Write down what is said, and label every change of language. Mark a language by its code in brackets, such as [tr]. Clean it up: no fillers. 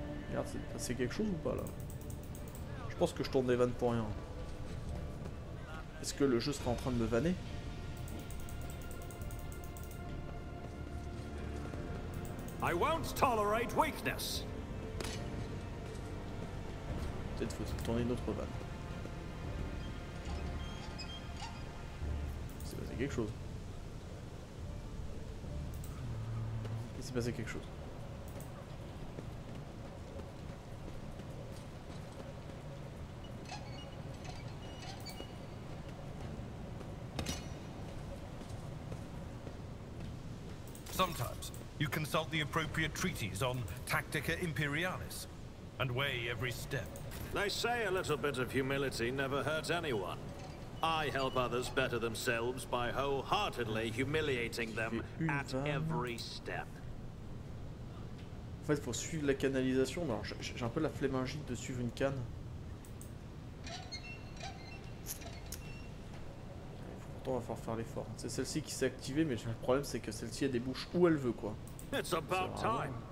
[fr] Regarde, c'est quelque chose ou pas là? Je pense que je tourne des vannes pour rien. Est-ce que le jeu serait en train de me vanner? [en] I won't tolerate weakness. [fr] Peut-être faut tourner une autre vanne. Il s'est passé quelque chose. [en] Sometimes you consult the appropriate treaties on Tactica Imperialis and weigh every step. They say a little bit of humility never hurts anyone. I help others better themselves by wholeheartedly humiliating them at every step. [fr] En fait, faut suivre la canalisation. Alors, j'ai un peu la flemmingite de suivre une canne. On va falloir faire l'effort. C'est celle-ci qui s'est activée, mais le problème c'est que celle-ci a des bouches où elle veut quoi. [en] It's about time.